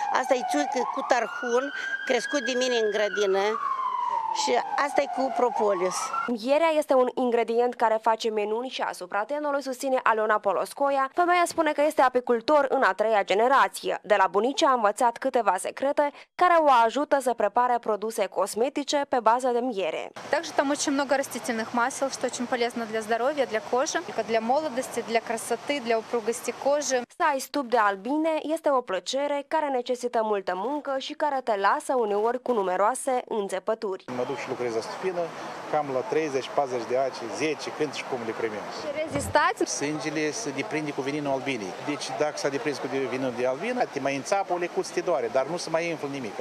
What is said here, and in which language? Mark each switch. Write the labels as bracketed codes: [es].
[ro] Asta e țuică cu tarhun, crescut de mine în grădină și asta e cu propolis. Mierea este un ingredient care face minuni și asupra tenului, susține Aliona Poloscoia. Femeia spune că este apicultor în a treia generație. De la bunici a învățat câteva secrete care o ajută să prepare produse cosmetice pe bază de miere. [ru] Также там очень много растительных масел, что очень полезно для здоровья, для кожи, для молодости, для красоты, для упругости кожи. [ro] Să ai stup de albine este o plăcere care necesită multă muncă și care te lasă uneori cu numeroase înțepături. Mă duc și lucrez la stupină, cam la 30-40 de aci, 10, când și cum le primim. Și rezistați? Sângele se deprinde cu vininul albinei. Deci dacă s-a deprins cu vininul de albină, te mai înțapă, o lecuță te doare, dar nu se mai înflă nimic.